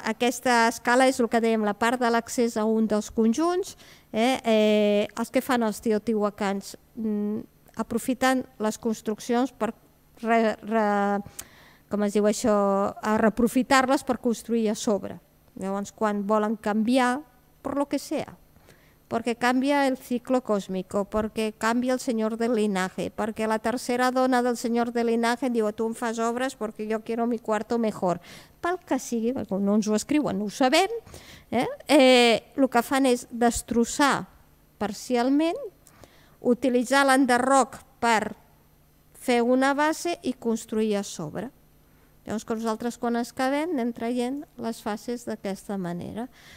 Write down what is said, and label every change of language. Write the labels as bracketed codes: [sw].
[ca] Aquesta escala és el que dèiem, la part de l'accés a un dels conjunts, els que fan els teotihuacans, aprofiten les construccions per reaprofitar-les per construir a sobre. Llavors, quan volen canviar, per [es] lo que sea, porque cambia el ciclo cósmico, porque cambia el señor del linaje, porque la tercera dona del señor del linaje [ca] diu, tu em fas obres perquè jo [es] quiero mi cuarto mejor. [ca] Pel que sigui, no ens ho escriuen, no ho sabem, el que fan és destrossar parcialment, utilitzar l'enderroc per fer una base i construir a sobre. Llavors, que nosaltres quan es acabem anem traient les fases d'aquesta manera.